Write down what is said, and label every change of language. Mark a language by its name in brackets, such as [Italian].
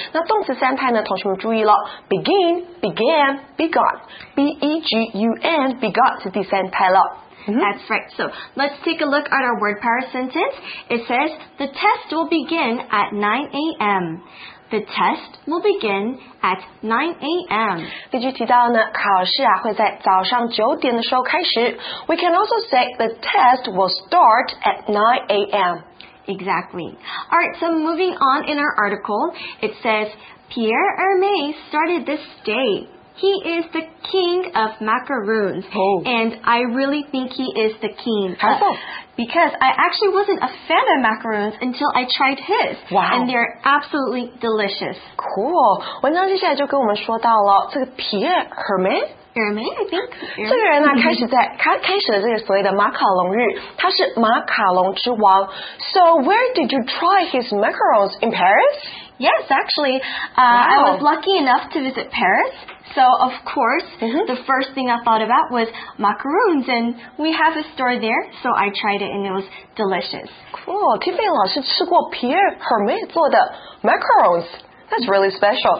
[Chinese] 那动词三态呢，同学们注意了 ，begin, began, begun, B-E-G-U-N, begun 是第三态了。 [English] That's right. So let's take a look at our word power sentence. It says, the test will begin at 9 a.m. The test will begin at 9 a.m. [Chinese] 例句提到呢，考试啊会在早上九点的时候开始。 [English] We can also say the test will start at 9 a.m. Exactly. All right, so moving on in our article, it says, Pierre Hermé started this day. He is the king of macaroons, and I really think he is the king. How so? Because I actually wasn't a fan of macaroons until I tried his. Wow. And they're absolutely delicious. [Chinese] Cool. 文章接下来就跟我们说到了这个 Pierre Hermé。 [English] Hermé, I think. [Chinese] 这个人呢，开始了这个所谓的马卡龙日，他是马卡龙之王。 [English] So where did you try his macarons in Paris? Yes, actually, I was lucky enough to visit Paris. So of course, the first thing I thought about was macaroons, and we have a store there. So I tried it, and it was delicious. [Chinese] Cool, Tiffany 老师吃过 Pierre Hermé 做的 macarons。 [English] That's really special.